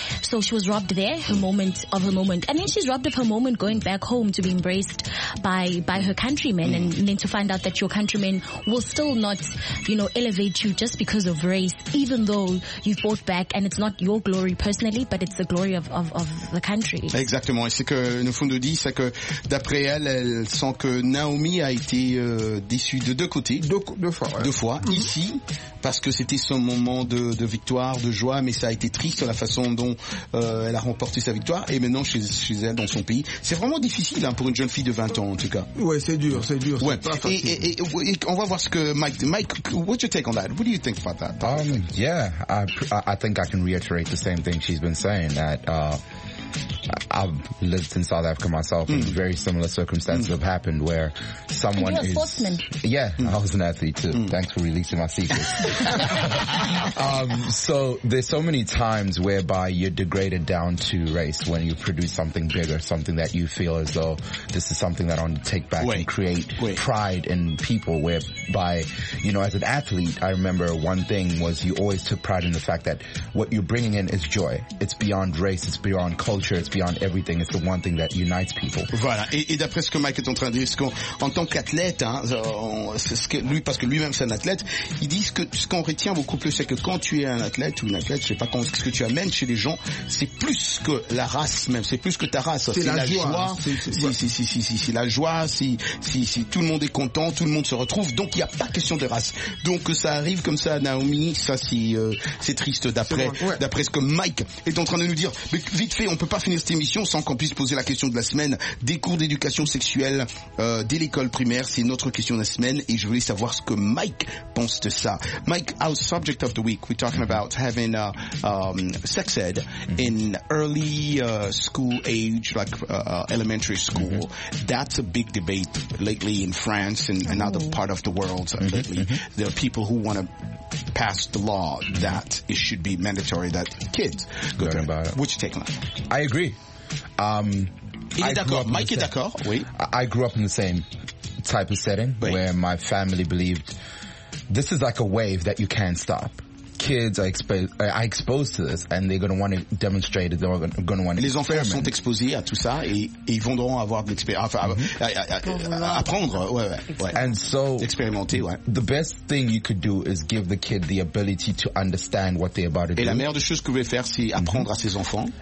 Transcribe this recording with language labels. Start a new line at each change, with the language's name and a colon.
English: So she was robbed there, her moment of her moment. And then she's robbed of her moment going back home to be embraced by her countrymen and then to find out that your countrymen will still not, you know, elevate you just because of race, even though you've fought back and it's not your glory personally, but it's the glory of the country.
French: Exactement. Et ce que Nofundo dit, c'est que d'après elle, elle sent que Naomi a été déçue de deux côtés. Deux fois. Ouais. Deux fois. Mm-hmm. Ici, parce que c'était son moment de victoire, de joie, mais ça a été triste la façon dont elle a remporté sa victoire. Et maintenant, chez elle, dans son pays. C'est vraiment difficile hein, pour une jeune fille de 20 ans, en tout cas. Ouais, c'est dur. Ouais. C'est pas facile. Et on va voir ce que Mike,
English: what's your take on that? What do you think about that? I think I can reiterate the same thing she's been saying, that I've lived in South Africa myself and very similar circumstances have happened where someone is... You're a sportsman. Yeah, I was an athlete too. Thanks for releasing my secrets. So there's so many times whereby you're degraded down to race when you produce something bigger, something that you feel as though this is something that I want to take back and create pride in people whereby, you know, as an athlete, I remember one thing was you always took pride in the fact that what you're bringing in is joy. It's beyond race. It's beyond culture. It's beyond everything. It's the one thing that unites people.
French: Voilà. Et d'après ce que Mike est en train de dire, ce qu'on, en tant qu'athlète, hein, c'est ce que lui, parce que lui-même c'est un athlète, ils disent que ce qu'on retient beaucoup plus, c'est que quand tu es un athlète ou une athlète, je sais pas ce que tu amènes chez les gens, c'est plus que la race même, c'est plus que ta race. C'est la joie. Tout le monde est content, tout le monde se retrouve, donc il n'y a pas question de race. Donc ça arrive comme ça à Naomi, ça c'est triste d'après, c'est bon, ouais. D'après ce que Mike est en train de nous dire. Mais vite fait, on peut pas finir cette émission sans qu'on puisse poser la question de la semaine des cours d'éducation sexuelle dès l'école primaire. C'est notre question de la semaine et je voulais savoir ce que Mike pense de ça.
English: Mike, our subject of the week, we're talking about having sex ed in early school age, like elementary school. That's a big debate lately in France and another part of the world lately. There are people who want to pass the law that it should be mandatory that kids go learn about it. What you take on? I agree.
French: Il est d'accord. Mike est d'accord. Oui.
English: I grew up in the same type of setting where my family believed this is like a wave that you can't stop. Kids are exposed to this and they're going to want to demonstrate it. They're going to want to
French: Les enfants sont exposés à tout ça et ils vont avoir de l'expérience. Apprendre. Ouais.
English: And so,
French: expérimenter, ouais.
English: The best thing you could do is give the kid the ability to understand what they're about to
French: et
English: do.
French: Et la meilleure chose que vous pouvez faire, c'est apprendre à ses enfants.